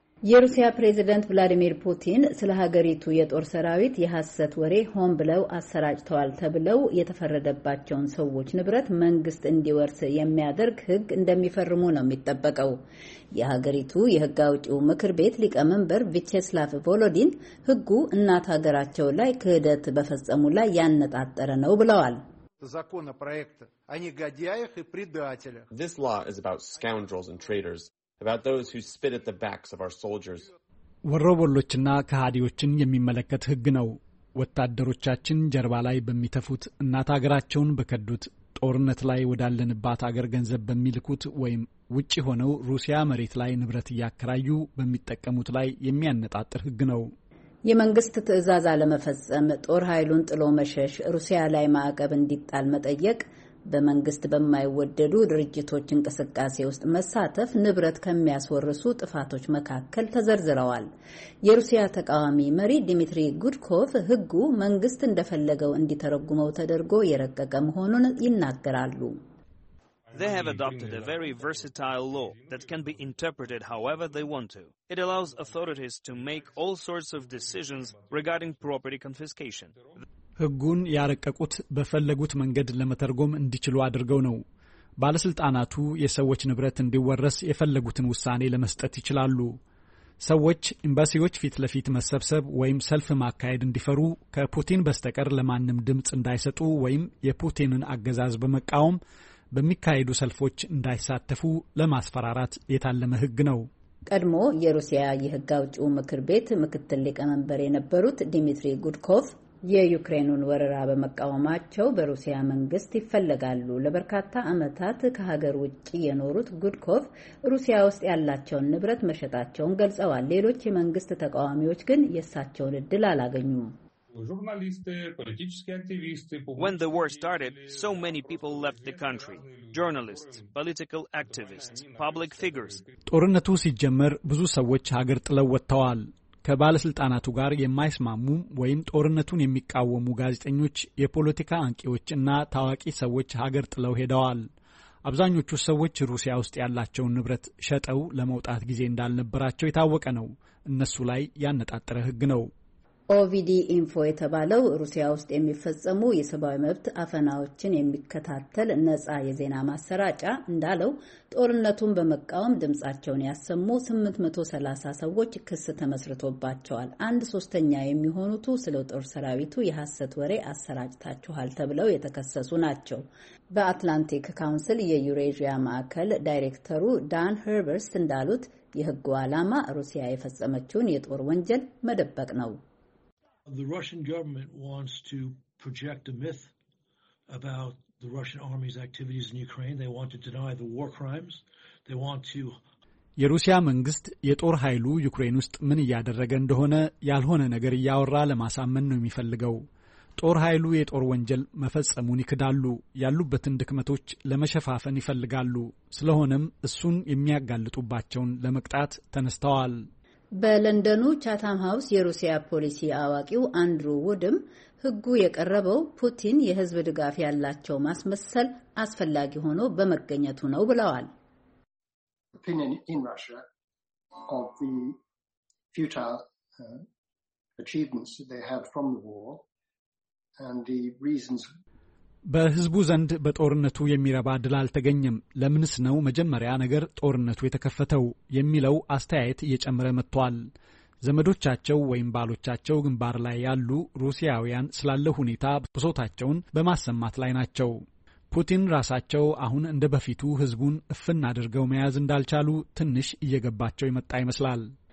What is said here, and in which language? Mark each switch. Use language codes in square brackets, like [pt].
[am] የሩሲያ ፕሬዚደንት ቭላዲሚር ፑቲን ስለ ሀገሪቱ የጦር ሰራዊት የሐሰት ወሬ ሆን ብለው አሰራጭተዋል ተብለው የተፈረደባቸውን ሰዎች ንብረት መንግስት እንዲወርስ የሚያደርግ ህግ እንደሚፈርሙ ነው የሚጠበቀው። የሀገሪቱ የህግ አውጪው ምክር ቤት ሊቀመንበር ቪቼስላቭ ቮሎዲን ህጉ እናት ሀገራቸው ላይ ክህደት በፈጸሙ ላይ ያነጣጠረ ነው ብለዋል። [en] This law is about scoundrels and traitors, about those who spit at the backs of our soldiers. [am] ወሮበሎችና ከሃዲዎችን የሚመለከት ህግ ነው። ወታደሮቻችን ጀርባ ላይ በሚተፉት እናት አገራቸውን በከዱት ጦርነት ላይ ወዳለንባት አገር ገንዘብ በሚልኩት ወይም ውጪ ሆነው ሩሲያ መሬት ላይ ንብረት ያከራዩ በሚጠቀሙት ላይ የሚያነጣጥር ህግ ነው። የመንግስት ትዕዛዝ አለመፈጸም፣ ጦር ኃይሉን ጥሎ መሸሽ፣ ሩሲያ ላይ ማዕቀብ እንዲጣል መጠየቅ፣ በመንግስት በማይወደዱ ድርጅቶች እንቅስቃሴ ውስጥ መሳተፍ ንብረት ከመያዝወርሱ ጥፋቶች መካከል ተዘርዝረዋል። የሩሲያ ተቃዋሚ መሪ ዲሚትሪ ጉድኮቭ ህጉ መንግስት እንደፈለገው እንዲተረጉመው ተደርጎ የረቀቀ መሆኑን ይናገራሉ። [en] They have adopted a very versatile law that can be interpreted however they want to. It allows authorities to make all sorts of decisions regarding property confiscation. [am] ህጉን ያረቀቁት በፈለጉት መንገድ ለመተርጎም እንዲችሉ አድርገው ነው። ባለስልጣናቱ የሰዎች ንብረት እንዲወረስ የፈለጉትን ውሳኔ ለመስጠት ይችላሉ። ሰዎች ኤምባሲዎች ፊት ለፊት መሰብሰብ ወይም ሰልፍ ማካሄድ እንዲፈሩ ከፑቲን በስተቀር ለማንም ድምጽ እንዳይሰጡ ወይም የፑቲንን አገዛዝ በመቃወም በሚካሄዱ ሰልፎች እንዳይሳተፉ ለማስፈራራት የታለመ ህግ ነው። ቀድሞ የሩሲያ የህጋውጭ ምክር ቤት ምክትል ሊቀመንበር የነበሩት ዲሚትሪ ጉድኮቭ የዩክሬኑን ወረራ በመቃወማቸው በሩሲያ መንግስት ይፈለጋሉ። ለበርካታ አመታት ከሀገር ውጪ የኖሩት ጉድኮቭ ሩሲያ ውስጥ ያላቸውን ንብረት መሸጣቸውን ገልጸዋል። ሌሎች የመንግስት ተቃዋሚዎች ግን የሳቸውን እድል አላገኙም። [en] When the war started, so many people left the country. Journalists, political activists, public figures. [am] ጦርነቱ ሲጀመር ብዙ ሰዎች ሀገር ጥለው ወጥተዋል። ከባለስልጣናቱ ጋር የማይስማሙ ወይም ጦርነቱን የሚቃወሙ ጋዜጠኞች፣ የፖለቲካ አንቂዎች እና ታዋቂ ሰዎች ሀገር ጥለው ሄደዋል። አብዛኞቹ ሰዎች ሩሲያ ውስጥ ያላቸውን ንብረት ሸጠው ለመውጣት ጊዜ እንዳልነበራቸው የታወቀ ነው። እነሱ ላይ ያነጣጠረ ህግ ነው። OVD Info የተባለው ሩሲያ ውስጥ የሚፈጸሙ የሰብአዊ መብት አፈናዎችን የሚከታተል ነጻ የዜና ማሰራጫ እንዳለው ጦርነቱን በመቃወም ድምጻቸውን ያሰሙ 830 ሰዎች ክስ ተመስርቶባቸዋል። 1/3 የሚሆኑት ስለ ጦር ሰራዊቱ የሐሰት ወሬ አሰራጭታችኋል ተብለው የተከሰሱ ናቸው። በአትላንቲክ ካውንስል የዩሬዥያ ማዕከል ዳይሬክተሩ ዳን ሄርበርስ እንዳሉት የህግ ዓላማ ሩሲያ የፈጸመችውን የጦር ወንጀል መደበቅ ነው። [en] The Russian government wants to project a myth about the Russian army's activities in Ukraine. They want to deny the war crimes. They want to [am] የሩሲያ መንግስት የጦር ኃይሉ ዩክሬን ውስጥ ምን ያደረገ እንደሆነ ያልሆነ ነገር ያወራ ለማሳመን ነው የሚፈልገው። ጦር ኃይሉ የጦር ወንጀል መፈጸሙን ይክዳሉ። ያሉበትን ድክመቶች ለመሸፋፈን ይፈልጋሉ። ስለሆነም እሱን የሚያጋልጡባቸውን ለመቅጣት ተነስተዋል። በለንደኑ ቻታም ሃውስ የሩሲያ ፖሊሲ አዋቂው አንድሩ ውድም ህጉ የቀረበው ፑቲን የህዝብ ድጋፍ ያላቸው ማስመሰል አስፈላጊ ሆኖ በመገኘቱ ነው ብለዋል። [en] Opinion in Russia of the futile achievements that they had from the war and the reasons [am] በህዝቡ ዘንድ በጦርነቱ የሚረባ ድል አልተገኘም ለምንስ ነው መጀመሪያ ነገር ጦርነቱ የተከፈተው የሚለው አስተያየት እየጨመረ መጥቷል። ዘመዶቻቸው ወይም ባሎቻቸው ግንባር ላይ ያሉ ሩሲያውያን ስላለው ሁኔታ ብሶታቸውን በማሰማት ላይ ናቸው። ፑቲን ራሳቸው አሁን እንደበፊቱ ህዝቡን እፍና አድርገው መያዝ እንዳልቻሉ ትንሽ እየገባቸው ይመጣ ይመስላል።